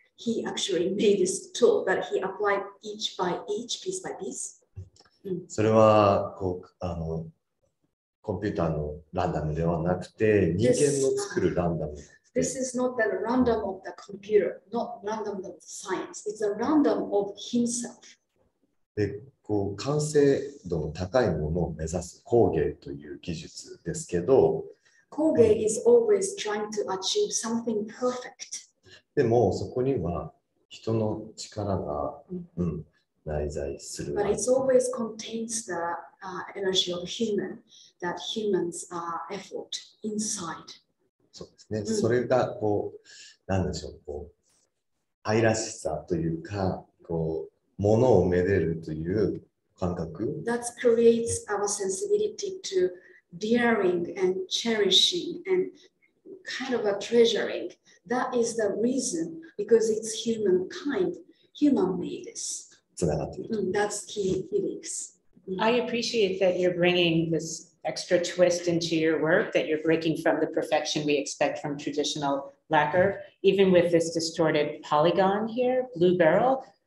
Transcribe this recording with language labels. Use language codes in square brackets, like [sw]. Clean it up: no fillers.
[en] He actually made this tool, but he applied each by each, piece by piece. This is not the random of the computer, not random of science. It's a random of himself. [ja] こう完成度の高いものを目指す工芸という技術ですけど [en] Kouge is always trying to achieve something perfect. [ja] でもそこには人の力が、うん、内在する。 [en] But it always contains the、energy of human, that humans are effort inside. [ja] そうですね。それがこう、なんでしょう、こう、愛らしさというか、こう、ものをめでるという感覚。 [en] That creates our sensibility to daring and cherishing and kind of a treasuring. That is the reason, because it's humankind, human made this. That's key lyrics. I appreciate that you're bringing this extra twist into your work, that you're breaking from the perfection we expect from traditional lacquer, even with this distorted polygon here, blue barrel.